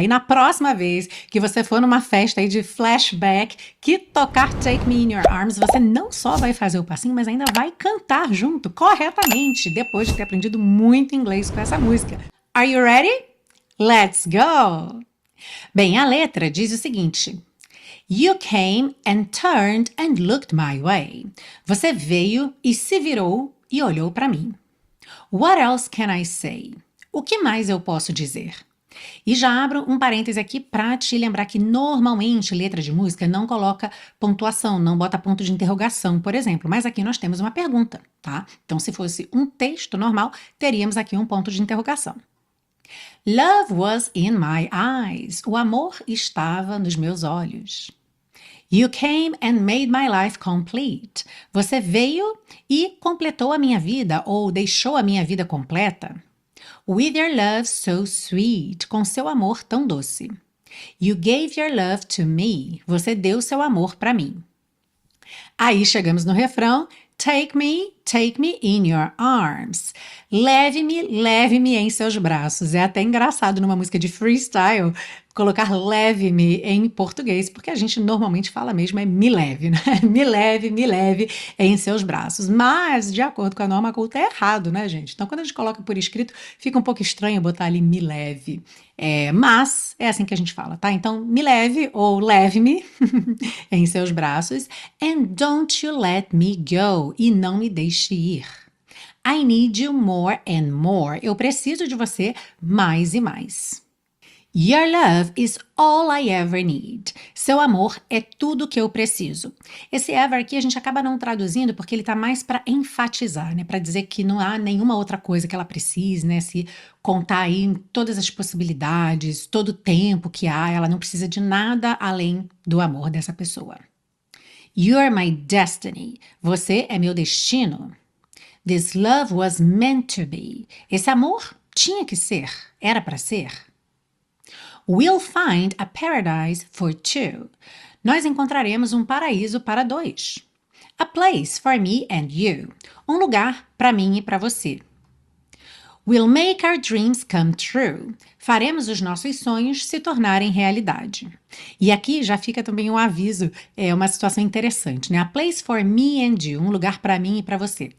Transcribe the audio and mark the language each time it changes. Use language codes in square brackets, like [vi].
[pt] E na próxima vez que você for numa festa aí de flashback, que tocar Take Me In Your Arms, você não só vai fazer o passinho, mas ainda vai cantar junto corretamente, depois de ter aprendido muito inglês com essa música. [en] Are you ready? Let's go! [pt] Bem, a letra diz o seguinte. [en] You came and turned and looked my way. [pt] Você veio e se virou e olhou para mim. [en] What else can I say? [pt] O que mais eu posso dizer? E já abro um parêntese aqui para te lembrar que normalmente letra de música não coloca pontuação, não bota ponto de interrogação, por exemplo. Mas aqui nós temos uma pergunta, tá? Então, se fosse um texto normal, teríamos aqui um ponto de interrogação. [en] Love was in my eyes. [pt] O amor estava nos meus olhos. [en] You came and made my life complete. [pt] Você veio e completou a minha vida ou deixou a minha vida completa. [en] With your love so sweet, [pt] com seu amor tão doce. [en] You gave your love to me. [pt] Você deu seu amor para mim. Aí chegamos no refrão. [en] Take me in your arms. [pt] Leve-me em seus braços. É até engraçado numa música de freestyle colocar leve-me em português, porque a gente normalmente fala mesmo é me leve, né? Me leve em seus braços. Mas, de acordo com a norma culta, é errado, né, gente? Então, quando a gente coloca por escrito, fica um pouco estranho botar ali me leve. É, mas é assim que a gente fala, tá? Então, me leve ou leve-me em seus braços. [en] And don't you let me go. [pt] E não me deixe ir. [en] I need you more and more. [pt] Eu preciso de você mais e mais. [en] Your love is all I ever need. [pt] Seu amor é tudo que eu preciso. Esse ever aqui a gente acaba não traduzindo porque ele tá mais para enfatizar, né? Para dizer que não há nenhuma outra coisa que ela precise, né? Se contar aí todas as possibilidades, todo o tempo que há, ela não precisa de nada além do amor dessa pessoa. [en] You are my destiny. [pt] Você é meu destino. [en] This love was meant to be. [pt] Esse amor tinha que ser, era para ser. [en] We'll find a paradise for two. [pt] Nós encontraremos um paraíso para dois. [en] A place for me and you. [pt] Um lugar para mim e para você. [en] We'll make our dreams come true. [pt] faremos os nossos sonhos se tornarem realidade. E aqui já fica também um aviso, é uma situação interessante, né? [en] A place for me and you, [pt] um lugar para mim e para você.